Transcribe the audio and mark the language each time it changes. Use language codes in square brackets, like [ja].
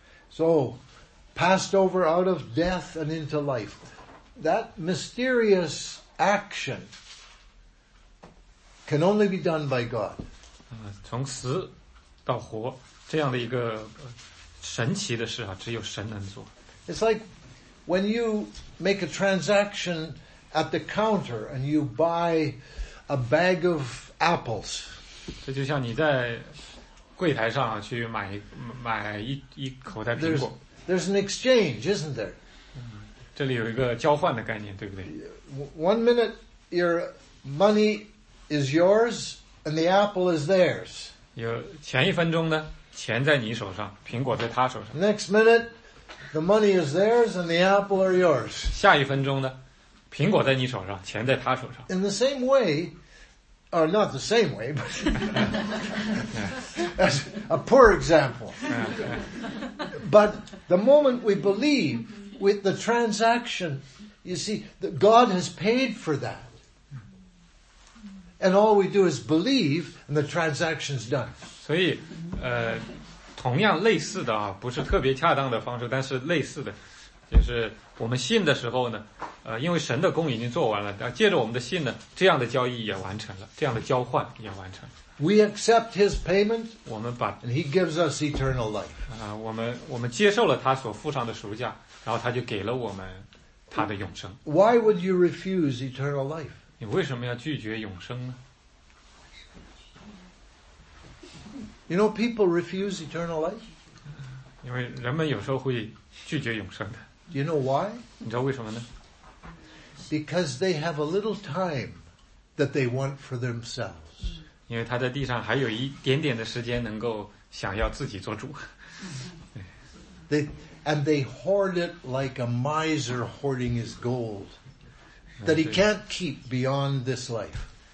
[en] So, passed over out of death and into life. That mysterious action can only be done by God. [zh] 从死到活，这样的一个神奇的事啊，只有神能做。 [en] It's like when you make a transaction at the counter and you buy a bag of apples. [zh] 这就像你在柜台上去买一口袋苹果。 [en] There's an exchange, isn't there? [zh] 这里有一个交换的概念，对不对？ [en] One minute your money is yours and the apple is theirs. [zh] 有前一分钟呢，钱在你手上，苹果在他手上。 [en] Next minute, the money is theirs and the apple are yours. [zh] 下一分钟呢，苹果在你手上，钱在他手上。 [en] In the same way, or not the same way, but as a poor example. But the moment we believe with the transaction, you see, that God has paid for that. And all we do is believe and the transaction's done. [zh] 所以同样类似的啊，不是特别恰当的方式，但是类似的，就是我们信的时候呢，因为神的工已经做完了，借着我们的信呢，这样的交易也完成了，这样的交换也完成了。 [en] We accept his payment, [zh] 我们把 [en] and he gives us eternal life. [zh] 我们接受了他所付上的赎价，然后他就给了我们他的永生。 [en] Why would you refuse eternal life? [zh] 你为什么要拒绝永生呢？ [en] You know, people refuse eternal life. [zh] 因为人们有时候会拒绝永生的。 [en] Do you know why? [zh] 你知道为什么呢？ [en] Because they have a little time that they want for themselves. [zh] 因为他在地上还有一点点的时间能够想要自己做主。 [en] And they hoard it like a miser hoarding his gold that he can't keep beyond this life.